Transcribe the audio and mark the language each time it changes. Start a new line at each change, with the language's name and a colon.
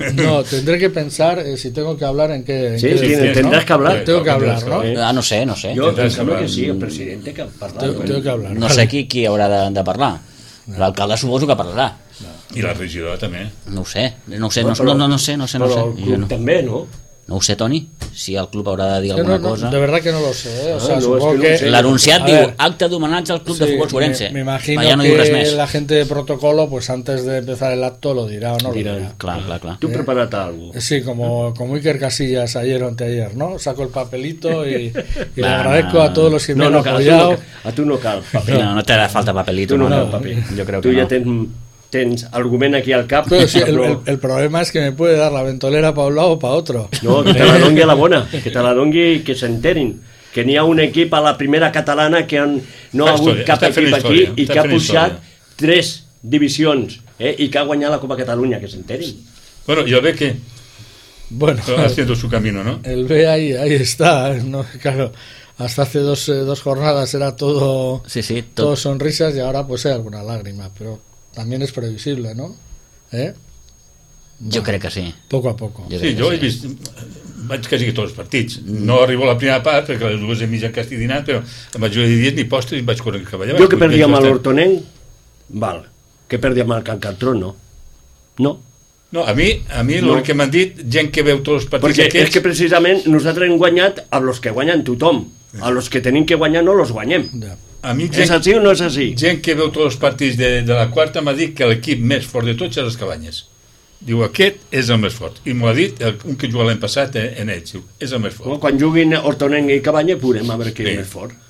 Spanish: No, tendré que pensar si tengo que hablar en qué. Sí, tendrás que hablar. Tengo que hablar, ¿no? Ah, no sé. Yo pensaba que sí, el presidente que
Catalan: ha parlat.
Spanish: Tengo que hablar.
Catalan: No sé qui haurà de parlar. L'alcalde suposo que parlarà. I la regidora també. No ho sé. El club també, no? No ho sé, Toni, si el club haurà de dir alguna cosa. De veritat que no ho sé. L'anunciat diu acte d'homenatge al club de futbol Sorense. M'imagino que la gent de
Spanish: protocolo, pues antes de empezar el acto, lo dirà o no lo dirà.
Catalan: Clar. Tu prepara't algo. Sí, com Iker Casillas
Spanish: ayer o anteayer,
Catalan: no?
Spanish: Saco el papelito y le agradezco a todos los que me han apoyado.
Catalan: A tu no cal
Spanish: papel. No te hará falta papelito.
Catalan: Tu ja tens... tens argument aquí al cap.
Spanish: Pero sí, el problema es que me puede dar la ventolera para un lado o para otro.
Catalan: No, que te la dongui a la bona, que te la dongui i que s'enterin. Que n'hi ha un equip a la primera catalana que no ha hagut cap equip aquí i que ha pujat 3 divisions i que ha guanyat la Copa Catalunya, que s'enterin.
Spanish: Bueno, yo ve que... Bueno, haciendo su camino, ¿no? El ve ahí está, ¿no? Claro. Hasta hace dos jornadas era todo... Sí, todo sonrisas y ahora pues hay alguna lágrima, pero... También es previsible, ¿no? ¿Eh?
Catalan: Jo crec que sí.
Spanish: Poco a poco.
Catalan: Vaig quasi que tots els partits. No arribo a la primera part, perquè a les 2:30 que estic dinant, però la majoria de dies ni postres i vaig córrer cap allà. Jo que perdi amb l'Hortoneng, val. Que perdi amb el Can Cantró, no. No. No, a mi el que m'han dit, gent que veu tots els partits aquests... Perquè és que precisament nosaltres hem guanyat amb els que guanyen tothom. A los que tenim que guanyar no los guanyem. És així o no és així? Gent que veu tots els partits de la quarta m'ha dit que l'equip més fort de tots és les Cabanyes. Diu, aquest és el més fort. I m'ho ha dit un que jugava l'any passat en ells. És el més fort. Bueno, quan juguin Hortoneng i Cabanyes veurem a veure qui és més fort.